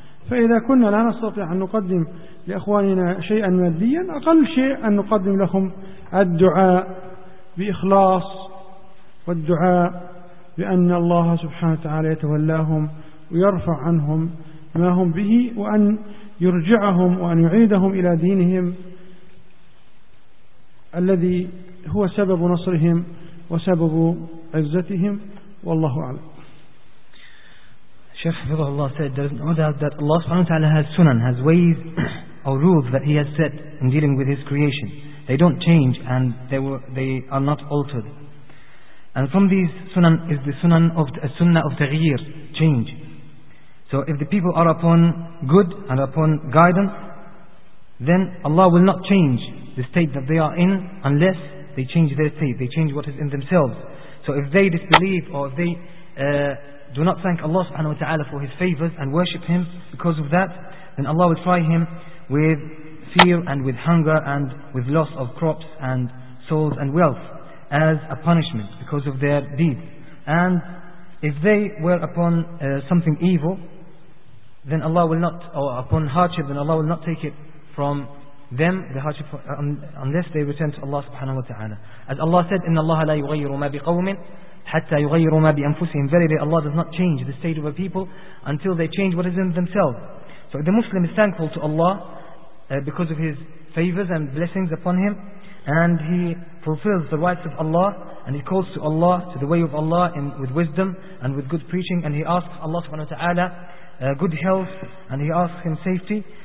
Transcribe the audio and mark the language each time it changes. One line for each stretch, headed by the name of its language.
Arabic: فإذا كنا لا نستطيع أن نقدم لأخواننا شيئا ماديا أقل شيء أن نقدم لهم الدعاء بإخلاص والدعاء بأن الله سبحانه وتعالى يتولاهم ويرفع عنهم ما هم به وأن يرجعهم وأن يعيدهم إلى دينهم الذي هو سبب نصرهم وسبب عزتهم. والله أعلم. شيخ حفظه الله
English: said that Allah
Arabic: سبحانه وتعالى
English: has sunan, has ways or rules that he has set in dealing with his creation. They don't change and they are not altered. And from these sunan is the sunan of a sunnah of taghyir, change. So if the people are upon good and upon guidance, then Allah will not change the state that they are in unless they change their state, they change what is in themselves. So if they disbelieve or if they do not thank Allah
Arabic: subhanahu wa ta'ala
English: for his favors and worship him because of that, then Allah will try him with fear and with hunger and with loss of crops and souls and wealth as a punishment because of their deeds. And if they were upon something evil, then Allah will not, or upon hardship, then Allah will not take it from them, the hardship, unless they return to Allah
Arabic: subhanahu wa ta'ala.
English: As Allah said,
Arabic: إِنَّ اللَّهَ لَا يُغَيِّرُ مَا بِقَوْمٍ حَتَّى يُغَيِّرُ مَا بِأَنفُسِهِمْ.
English: Verily, Allah does not change the state of a people until they change what is in themselves. So the Muslim is thankful to Allah because of his favors and blessings upon him, and he fulfills the rights of Allah, and he calls to Allah, to the way of Allah, in, with wisdom and with good preaching, and he asks Allah
Arabic: subhanahu wa ta'ala
English: good health, and he asks him safety.